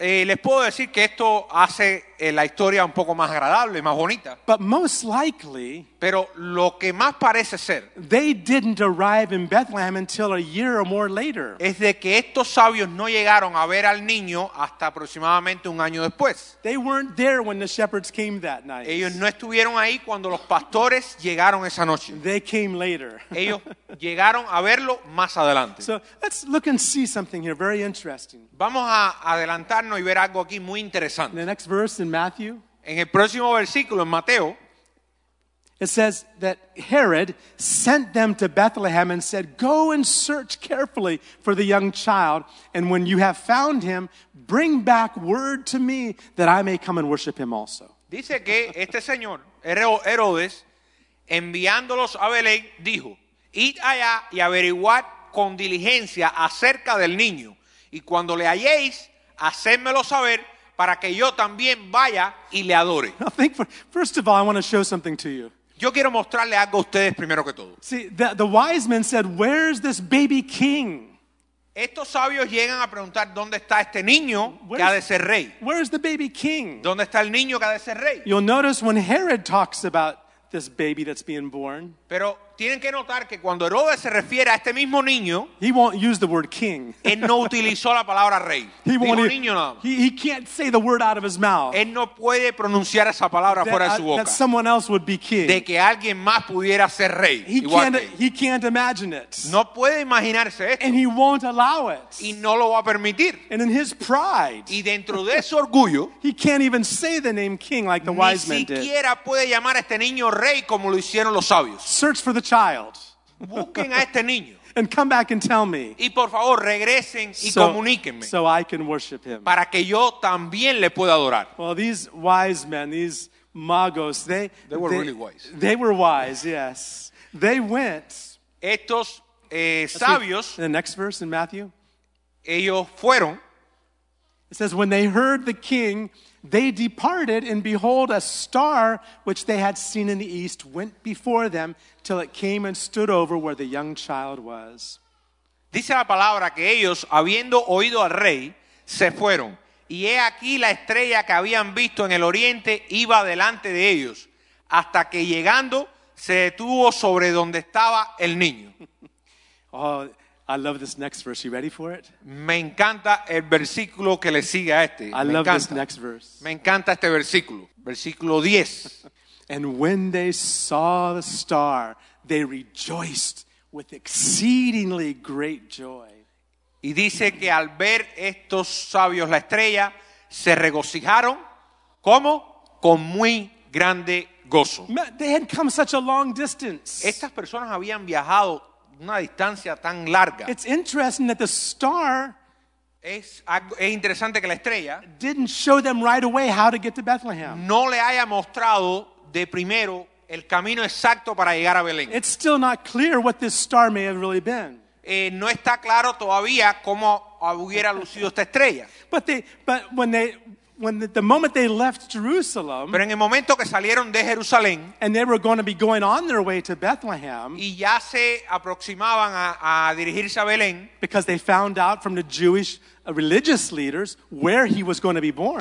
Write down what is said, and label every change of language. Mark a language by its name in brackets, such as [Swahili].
[Spanish] Les puedo decir que esto hace la historia un poco más agradable, más bonita. [English] But most likely, [Spanish] pero lo que más parece ser, [English] they didn't arrive in Bethlehem until a year or more later. [Spanish] Es de que estos sabios no llegaron a ver al niño hasta aproximadamente un año después. [English] They weren't there when the shepherds came that night. [Spanish] Ellos no estuvieron ahí cuando los pastores llegaron esa noche. [English] They came later. [Spanish] Ellos llegaron a verlo más adelante. [English] So let's look and see something here, very interesting. [Spanish] Vamos a adelantarnos y ver algo aquí muy interesante. [English] In the next verse in Matthew, [Spanish] en el próximo versículo en Mateo, [English] it says that Herod sent them to Bethlehem and said, "Go and search carefully for the young child, and when you have found him, bring back word to me that I may come and worship him also." [Spanish] Dice que este señor, Herodes, enviándolos a Belén, dijo, "Id allá y averiguad con diligencia acerca del niño, y cuando le halléis, hacédmelo saber para que yo también vaya y le adore." [English] I think first of all, I want to show something to you. [Spanish] Yo quiero mostrarle algo a ustedes primero que todo. [English] See, the wise men said, "Where's this baby king?" [Spanish] Estos sabios llegan a preguntar, ¿dónde está este niño que ha de ser rey? [English] Where's the baby king? [Spanish] ¿Dónde está el niño que ha de ser rey? [English] You'll notice when Herod talks about this baby that's being born. [Spanish] Pero tienen que notar que cuando Herodes se refiere a este mismo niño, [English] he won't use the word king. [Spanish] Él no utilizó la palabra rey. [English] He can't say the word out of his mouth. [Spanish] Él no puede pronunciar esa palabra fuera de su boca. [English] That someone else would be king. [Spanish] De que alguien más pudiera ser rey. [English] He can't imagine it. [Spanish] No puede imaginarse esto. [English] And he won't allow it. [Spanish] Y no lo va a permitir. [English] And in his pride, [Spanish] y dentro de su orgullo, [English] he can't even say the name king like the wise men did. [Spanish] Ni siquiera puede llamar a este niño rey como lo hicieron los sabios. [English] Search for the child. [Spanish] Busquen a este niño. [English] And come back and tell me. [Spanish] Y por favor, regresen y comuníquenme. [English] So I can worship him. [Spanish] Para que yo también le pueda adorar. [English] Well, these wise men, these magos, they were really wise. They were wise, yes. They went. [Spanish] Estos sabios. [English] In the next verse in Matthew. [Spanish] Ellos fueron. [English] It says, when they heard the king, they departed, and behold, a star which they had seen in the east went before them till it came and stood over where the young child was. [Spanish] Dice la palabra que ellos, habiendo oído al rey, se fueron. Y he aquí la estrella que habían visto en el oriente iba delante de ellos, hasta que llegando se detuvo sobre donde estaba el niño. [English] Oh, I love this next verse. You ready for it? [Spanish] Me encanta el versículo que le sigue a este. [English] I love this next verse. [Spanish] Me encanta este versículo. Versículo 10. [English] And when they saw the star, they rejoiced with exceedingly great joy. [Spanish] Y dice que al ver estos sabios la estrella, se regocijaron, ¿cómo? Con muy grande gozo. [English] They had come such a long distance. [Spanish] Estas personas habían viajado una distancia tan larga. [English] It's interesting that the star [Spanish] es interesante que la estrella [English] didn't show them right away how to get to Bethlehem. [Spanish] No le haya mostrado de primero el camino exacto para llegar a Belén. [English] It's still not clear what this star may have really been. [Spanish] No está claro todavía cómo hubiera lucido esta estrella. [English] But when the moment they left Jerusalem, [Spanish] pero en el momento que salieron de Jerusalén, [English] and they were going to be going on their way to Bethlehem, [Spanish] y ya se aproximaban a dirigirse a Belén, [English] because they found out from the Jewish religious leaders where he was going to be born,